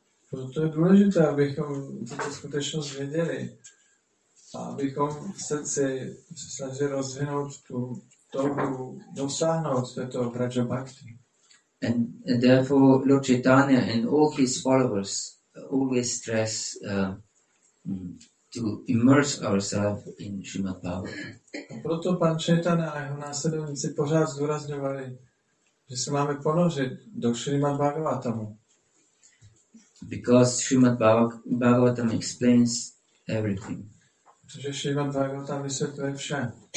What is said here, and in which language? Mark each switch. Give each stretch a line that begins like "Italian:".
Czech: Proto je důležité, abychom tuto skutečnost věděli a abychom v srdci se snažili rozvinout tu touhu dosáhnout této Vraja Bhakti.
English: And therefore Lord Chaitanya and all his followers always stress to immerse ourselves in Srimad Bhagavatam.
Czech: Proto Pan Chaitanya a jeho následovníci pořád zdůrazňovali, že se máme ponořit do Srimad Bhagavatamu.
English: Because Srimad Bhagavatam explains everything.
Czech: Že Šrimad Bhagavata vysvětluje vše.